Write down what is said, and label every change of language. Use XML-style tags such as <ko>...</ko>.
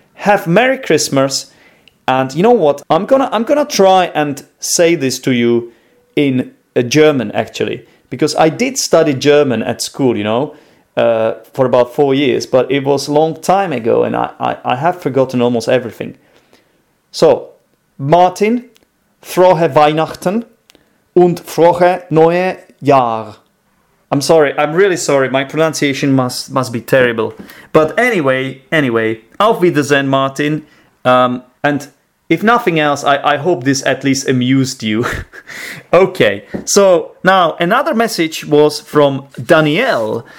<en>Have Merry Christmas. And you know what? I'm gonna try and say this to you in German, actually, because I did study German at school, you know, for about 4 years, but it was a long time ago, and I have forgotten almost everything.</en> <de>So, Martin, frohe Weihnachten und frohe neue Jahr.</de> <en>I'm sorry, I'm really sorry, my pronunciation must be terrible. But anyway,</en> <de>auf Wiedersehen,</de> <en>Martin. And if nothing else, I hope this at least amused you. Okay, so now another message was from Danielle.</en>